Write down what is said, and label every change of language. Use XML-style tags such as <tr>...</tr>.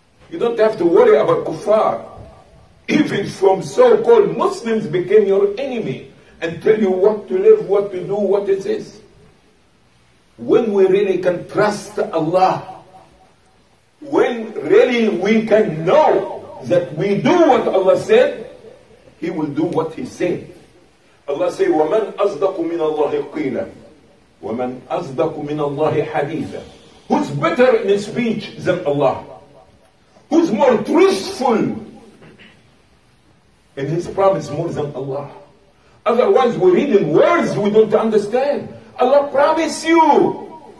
<en>You don't have to worry about kuffar. Even from so-called Muslims became your enemy. And tell you what to live, what to do, what it is. When we really can trust Allah, when really we can know that we do what Allah said, He will do what He said. Allah say,</en> <ar>وَمَنْ أَصْدَقُ مِنَ اللَّهِ قِيلًا وَمَنْ أَصْدَقُ مِنَ اللَّهِ حَدِيثًا.</ar> <en>Who's better in speech than Allah? Who's more truthful in His promise more than Allah? Otherwise, we're reading words we don't understand. Allah promise you.</en>